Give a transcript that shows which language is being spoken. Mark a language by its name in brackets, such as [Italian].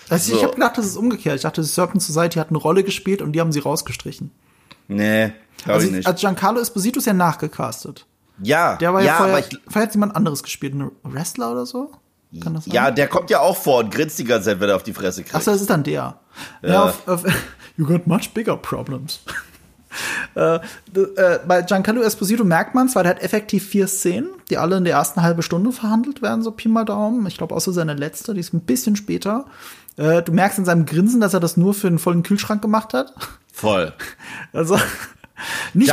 [German] Also so. Ich hab gedacht, das ist umgekehrt. Ich dachte, Serpent Society hat eine Rolle gespielt und die haben sie rausgestrichen. Nee, glaube ich nicht. Also Giancarlo Esposito ist ja nachgecastet. Ja, der war ja vorher hat jemand anderes gespielt, ein Wrestler oder so? Kann das sein? Ja, der kommt ja auch vor und grinst die ganze Zeit, wenn er auf die Fresse kriegt. Ach so, das ist dann der. Ja. [English] You got much bigger problems. [German] bei Giancarlo Esposito merkt man es, weil der hat effektiv 4 Szenen, die alle in der ersten halben Stunde verhandelt werden, so Pi mal Daumen. Ich glaube, außer seine letzte, die ist ein bisschen später. Du merkst in seinem Grinsen, dass er das nur für einen vollen Kühlschrank gemacht hat. Voll. Also, nicht